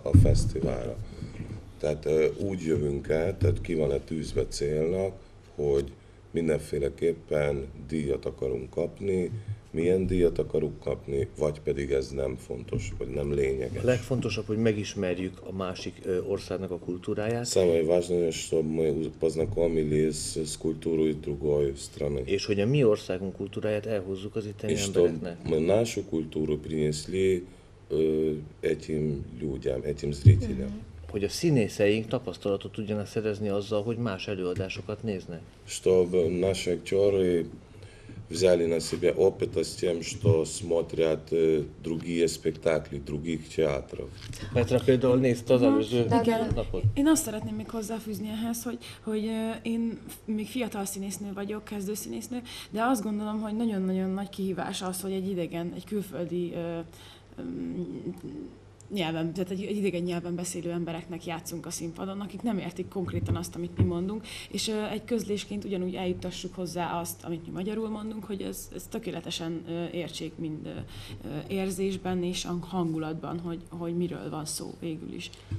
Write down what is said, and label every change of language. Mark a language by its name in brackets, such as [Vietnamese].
[Hungarian] a fesztiválra, tehát úgy jövünk el, tehát ki van-e tűzve célnak, hogy mindenféleképpen díjat akarunk kapni, milyen díjat akarunk kapni, vagy pedig ez nem fontos, vagy nem lényeges. A legfontosabb, hogy megismerjük a másik országnak a kultúráját. [Russian] Самое важное, чтобы мы познакомились с культурой другой страны. [Hungarian] És hogy a mi országunk kultúráját elhozzuk az itteni embereknek. [Russian] Мы нашу культуру принесли этим людям, этим зрителям. [Hungarian] Hogy a színészeink tapasztalatot tudjanak szerezni azzal, hogy más előadásokat néznek. [Russian] Чтобы наши актеры взяли на себя опыта с тем, что смотрят другие спектакли, других театров. Петра Федор не сказал уже. [Hungarian] Én azt szeretném még hozzáfűzni ehhez, hogy én még fiatal színésznő vagyok, kezdő színésznő, de azt gondolom, hogy nagyon-nagyon nagy kihívás az, hogy egy idegen, egy külföldi nyelven, tehát egy idegen nyelven beszélő embereknek játszunk a színpadon, akik nem értik konkrétan azt, amit mi mondunk, és egy közlésként ugyanúgy eljuttassuk hozzá azt, amit mi magyarul mondunk, hogy ez tökéletesen értsék mind érzésben és hangulatban, hogy miről van szó végül is.